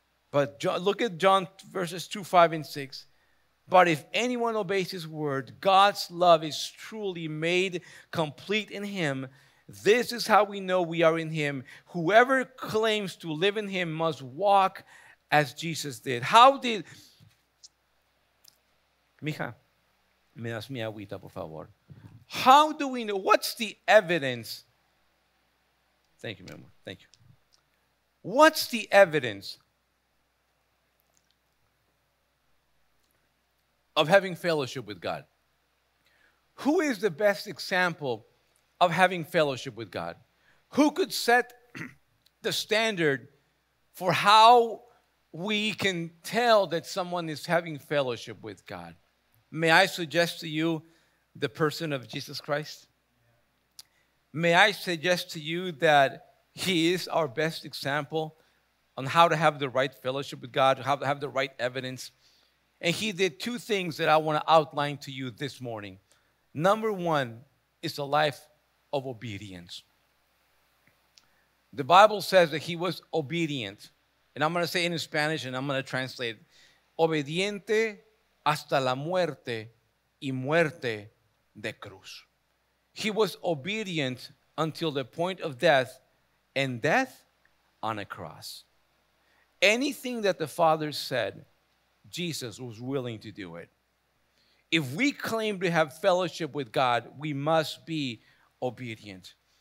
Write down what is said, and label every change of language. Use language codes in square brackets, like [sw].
[en] But look at John verses 2, 5, and 6. But if anyone obeys his word, God's love is truly made complete in him. This is how we know we are in him. Whoever claims to live in him must walk as Jesus did. How did... [es] Mija, me das mi agüita, por favor. [en] How do we know? What's the evidence? Thank you, Memo. Thank you. What's the evidence of having fellowship with God? Who is the best example of having fellowship with God? Who could set the standard for how we can tell that someone is having fellowship with God? May I suggest to you the person of Jesus Christ? May I suggest to you that he is our best example on how to have the right fellowship with God, how to have the right evidence? And he did two things that I want to outline to you this morning. Number one is a life of obedience. The Bible says that he was obedient. And I'm going to say it in Spanish and I'm going to translate it. [es] Obediente hasta la muerte y muerte de cruz. [en] He was obedient until the point of death and death on a cross. Anything that the Father said, Jesus was willing to do it. If we claim to have fellowship with God, we must be obedient.